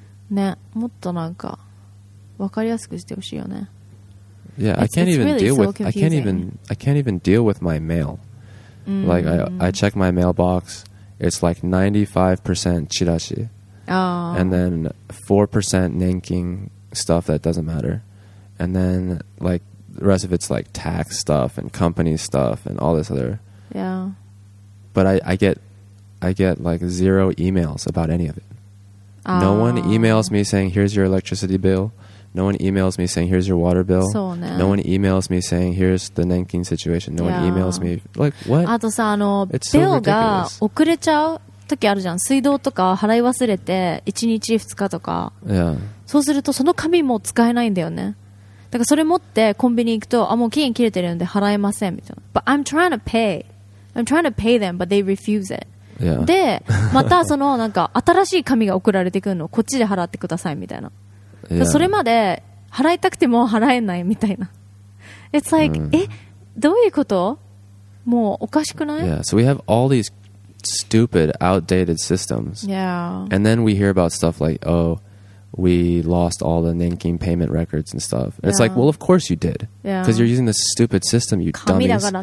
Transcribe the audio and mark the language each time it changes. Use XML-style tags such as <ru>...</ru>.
<ja>ね、もっとなんか分かりやすくしてほしいよね。</ja> <en>Yeah, I can't even deal with my mail. Mm-hmm. Like I check my mailbox, it's like 95% chirashi. Oh. And then 4% nanking stuff that doesn't matter. And then like the rest of it's like tax stuff and company stuff and all this other. Yeah. But I get like zero emails about any of it. No one emails me saying, here's your electricity bill. No one emails me saying, here's your water bill.</en> <ja>そうね。</ja> <en>No one emails me saying, here's the 年金 situation. No one emails me, like, what?</en> <ja>あとさ、あの、ビルが遅れちゃう時あるじゃん。水道とか払い忘れて、1日、2日とか。</ja> <en>Yeah.</en> <ja>そうすると、その紙も使えないんだよね。だからそれ持ってコンビニ行くと、あ、もう期限切れてるんで払えませんみたいな。</ja> <en>But I'm trying to pay. I'm trying to pay them, but they refuse it. Yeah.</en> <ja>で、またそのなんか新しい紙が送られてくるの、こっちで払ってくださいみたいな。</ja> <en>Yeah.</en> <ja>それまで払いたくても払えないみたいな。</ja> <en>It's like,、</en> <ja>mm. え、どういうこと？もうおかしくない？</ja> <en>Yeah, so we have all these stupid, outdated systems. Yeah. And then we hear about stuff like, oh, we lost all the 年金 payment records and stuff. And it's like, well, of course you did. Yeah. Because you're using this stupid system, you dummies.</en>